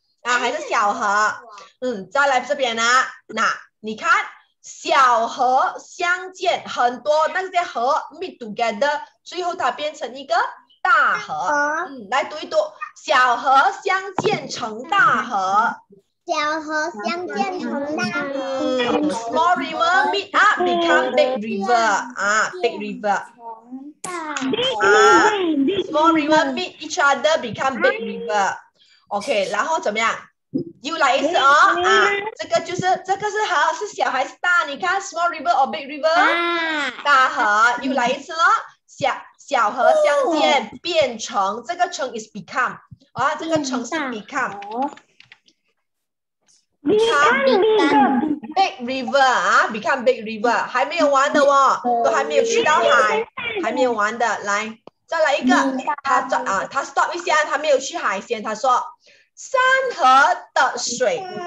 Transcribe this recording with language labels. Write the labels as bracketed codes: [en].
[zh] 啊，还是小河。嗯，再来这边啊，那你看。小河相见，很多那些河 [en] meet together， [zh] 最后它变成一个大河。嗯，来读一读，小河相见成大河。小河相见成大河。 [en] Small river meet up become big river 啊 ，big river。 Small river meet each other become big river。 [zh] OK， 然后怎么样？又来一次哦、啊、这个就是这个是河是小还是大你看 [en] small river or big river、 [zh] 啊、大河又来一次咯 小河相见变成、哦、这个成 is become、啊、这个成是 [en] become big river、 [zh] 啊、become big river 还没有玩的哦都还没有去到海还没有玩的来再来一个 他 stop 一下他没有去海鲜他说山河的水，